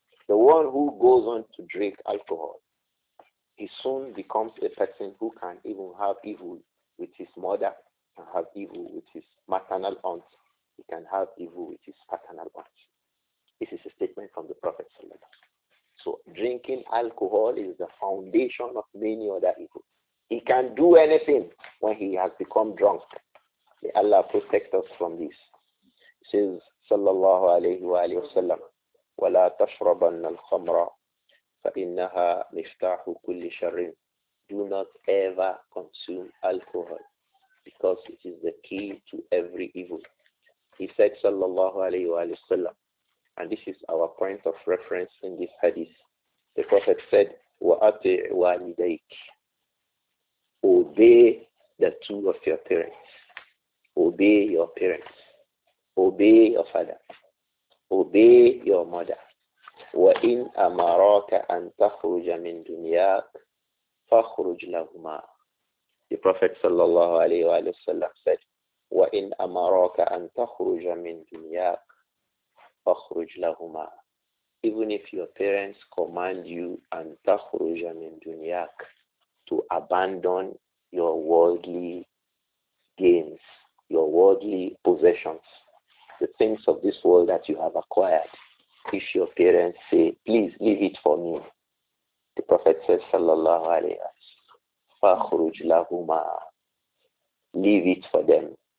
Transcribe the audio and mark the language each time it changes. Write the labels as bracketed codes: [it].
[en] The one who goes on to drink alcohol, he soon becomes a person who can even have evil with his mother, can have evil with his maternal aunt, he can have evil with his paternal aunt. This is a statement from the Prophet sallallahu alayhi wa sallam. So drinking alcohol is the foundation of many other evils. He can do anything when he has become drunk. May Allah protect us from this. He says, [ar] sallallahu alayhi wa sallam, وَلَا تَشْرَبَنَّ الْخَمْرَ فَإِنَّهَا مِفْتَاحُ كُلِّ شَرٍ. [en] Do not ever consume alcohol, because it is the key to every evil. He said, sallallahu alayhi wa sallam, and this is our point of reference in this hadith. The Prophet said, "Wa ati walidayk," Obey the two of your parents. Obey your parents. Obey your father. Obey your mother. [ar] وَإِنْ أَمَرَاكَ أَنْ تَخْرُجَ مِنْ دُنْيَاكَ فَخْرُجْ لَهُمَا. [en] The Prophet [ar] sallallahu alayhi wa sallam said, وَإِنْ أَمَرَاكَ أَنْ تَخْرُجَ مِنْ دُنْيَاكَ فَخْرُجْ لَهُمَا. [en] Even if your parents command you, [ar] أَنْ تَخْرُجَ مِنْ دُنْيَاكَ, [en] to abandon your worldly gains, your worldly possessions, the things of this world that you have acquired, if your parents say, please leave it for me, the Prophet says, sallallahu alayhi wa sallam, [ar] فَخْرُجْ لَهُمَا, [en] leave it for them.